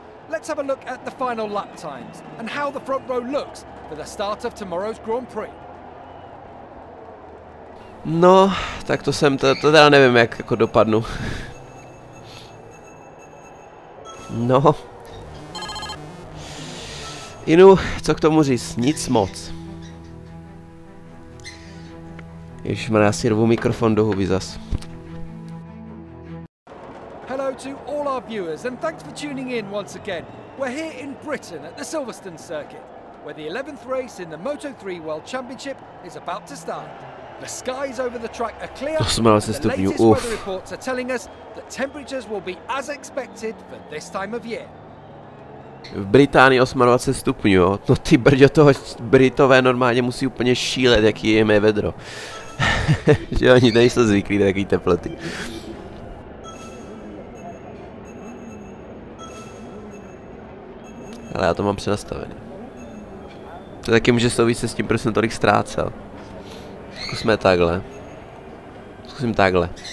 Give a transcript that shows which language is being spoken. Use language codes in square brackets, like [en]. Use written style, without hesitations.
[en] Let's have a look at the final lap times and how the front row looks for the start of tomorrow's Grand Prix. [cs] No, tak to jsem to teda nevím, jak jako dopadnu. No. Inu, co k tomu říct? Nic moc. Ježišmarja, si rvu mikrofon do huby zas. [en] Hello to all our viewers and thanks for tuning in once again. We're here in Britain at the Silverstone circuit, where the 11th race in the Moto3 World Championship is about to start. The skies over the track are clear, and the latest weather reports are telling us that temperatures will be as expected for this time of year. [cs] V Británii 28 stupňů, jo? No ty brďo, toho Britové normálně musí úplně šílet, jaký je mé vedro. Že oni nejsou zvyklí na takový teploty. Ale já to mám přenastavený. To taky může souviset s tím, proč jsem tolik ztrácel. Zkusme takhle. Zkusím takhle.